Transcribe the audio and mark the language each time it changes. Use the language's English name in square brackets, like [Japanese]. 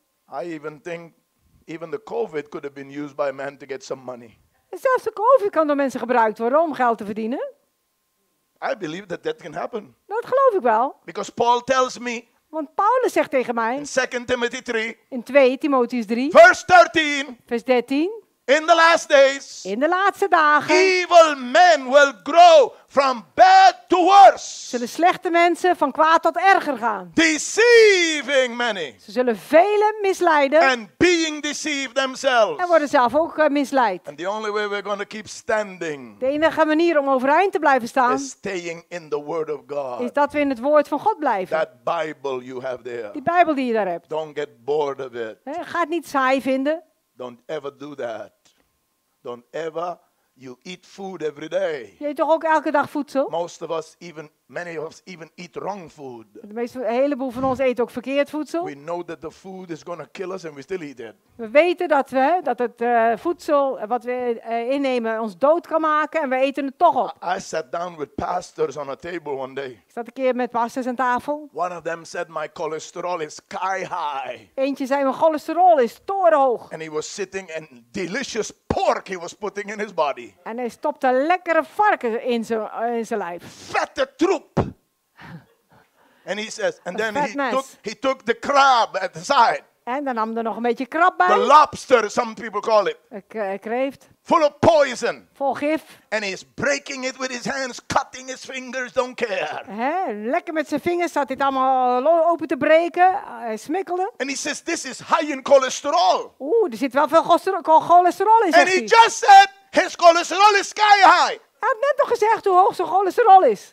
[English] I even think even the COVID could have been used by men to get some money. [Dutch] Zelfs de COVID kan door mensen gebruikt worden om geld te verdienen. [English] I believe that that can happen. [Dutch] Dat geloof ik wel. [English] Because Paul tells me. [Dutch] Want Paulus zegt tegen mij [English] in 2 Timothy 3, [Dutch] in 2 Timotheus 3, [English] verse 13, [Dutch] vers 13, [English] in the last days, [Dutch] in de laatste dagen, [English] evil men will grow from bad to worse. [Dutch] Zullen slechte mensen van kwaad tot erger gaan. [English] Deceiving many. [Dutch] Ze zullen velen misleiden. [English] And being deceived themselves. [Dutch] En worden zelf ook misleid. [English] And the only way we're going to keep standing. [Dutch] De enige manier om overeind te blijven staan. [English] Is staying in the word of God. [Dutch] Is dat we in het woord van God blijven. [English] That Bible you have there. [Dutch] Die Bijbel die je daar hebt. [English] Don't get bored of it. [Dutch] Ga het niet saai vinden. [English] Don't ever do that. Don't ever. You eat food every day. [Dutch] Je eet toch ook elke dag voedsel? [English] Most of us even, many of us even eat wrong food. [Dutch] De meeste, een heleboel van ons eet ook verkeerd voedsel. [English] We know that the food is gonna kill us and we still eat it. [Dutch] We weten dat we dat het voedsel wat we innemen ons dood kan maken en we eten het toch op. [English] I sat down with pastors on a table one day. [Dutch] Ik zat een keer met pastors aan tafel. [English] One of them said my cholesterol is sky high. [Dutch] Eentje zei mijn cholesterol is torenhoog. [English] And he was sitting and delicious pork he was putting in his body. [Dutch] En hij stopte lekkere varken in zijn lijf. Vette troep. [English] And he says, and then he took the crab at the side. [Dutch] En dan nam er nog een beetje krab bij. [English] The lobster, some people call it. [Dutch] Kreeft. [English] Full of poison. [Dutch] Vol gif. [English] And he's breaking it with his hands, cutting his fingers, don't care. [Dutch] Lekker met zijn vingers zat dit allemaal open te breken. Hij smikkelde. [English] And he says, this is high in cholesterol. [Dutch] Oeh, er zit wel veel cholesterol in, zegt [English] hij. And he just said. His cholesterol is sky high. [Dutch] Hij had net nog gezegd hoe hoog zijn cholesterol is.